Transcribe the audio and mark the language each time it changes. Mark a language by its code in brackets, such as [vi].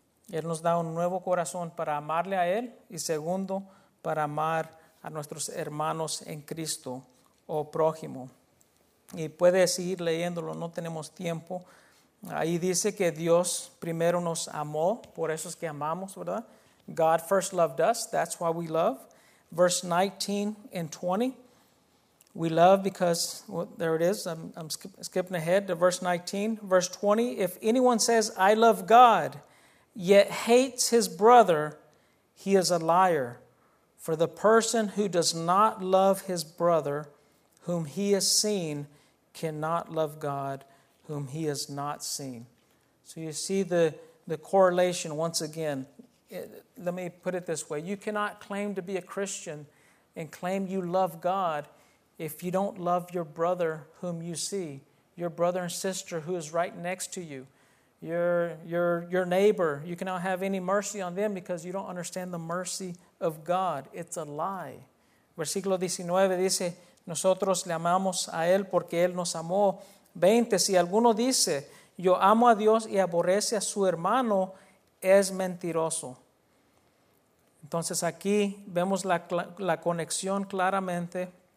[es] Él nos da un nuevo corazón para amarle a Él y segundo, para amar a nuestros hermanos en Cristo o prójimo. Y puedes ir leyéndolo, no tenemos tiempo. Ahí dice que Dios primero nos amó, por eso es que amamos, ¿verdad? [en] God first loved us, that's why we love. Verse 19 and 20, we love because, well, there it is, I'm skipping ahead to verse 19. Verse 20, if anyone says, I love God, yet hates his brother, he is a liar. For the person who does not love his brother, whom he has seen, cannot love God, whom he has not seen. So you see the correlation once again. Let me put it this way. You cannot claim to be a Christian and claim you love God if you don't love your brother whom you see, your brother and sister who is right next to you, your neighbor. You cannot have any mercy on them because you don't understand the mercy of God. It's a lie. [es] Versículo 19 dice, nosotros le amamos a él porque él nos amó. 20, si alguno dice, yo amo a Dios y aborrece a su hermano, es mentiroso. Entonces aquí vemos la conexión claramente.